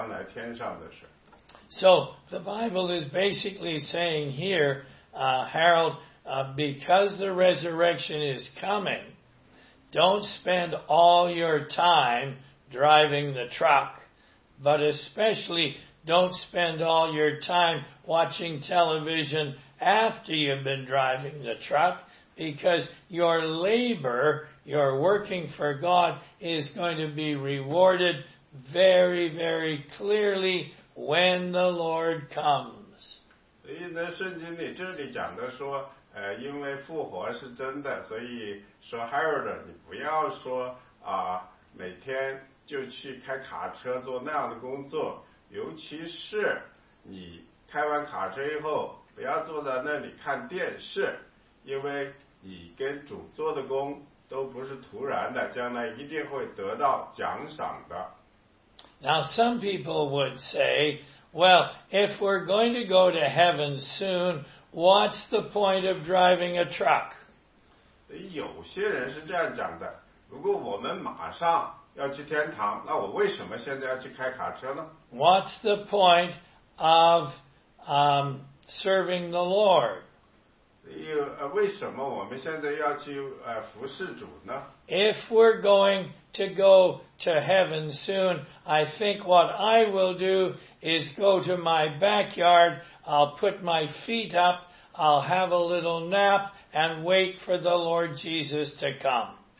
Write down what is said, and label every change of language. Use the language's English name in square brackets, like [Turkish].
[Chinese] 所以呢，我也许我会去开一个卡车，卡车呢，保证我每天桌上有吃的、有食物。但是呢，我也会去同时去为主做工。如果那个开卡车的工作能够跟我跟主做的工作有冲突的话，我宁愿去做主的工，准备我们将来天上的事。 [English] So the Bible is basically saying here, Harold. Because the resurrection is coming, don't spend all your time driving the truck, but especially don't spend all your time watching television after you've been driving the truck, because your labor, your working for God is going to be rewarded very, very clearly when the Lord comes. [Chinese] 所以在圣经里这里讲的说因为复活是真的，所以说 Harold 你不要说每天就去开卡车做那样的工作，尤其是你开完卡车以后不要坐在那里看电视，因为你跟主做的工都不是突然的，将来一定会得到奖赏的。 [English] Now some people would say, well, if we're going to go to heaven soon, what's the point of driving a truck? [Chinese] 有些人是这样讲的，如果我们马上要去天堂，那我为什么现在要去开卡车呢？ [English] What's the point of serving the Lord? [Chinese] 为什么我们现在要去服侍主呢？ [English] If we're going to go to heaven soon, I think what I will do is go to my backyard, I'll put my feet up, I'll have a little nap, and wait for the Lord Jesus to come.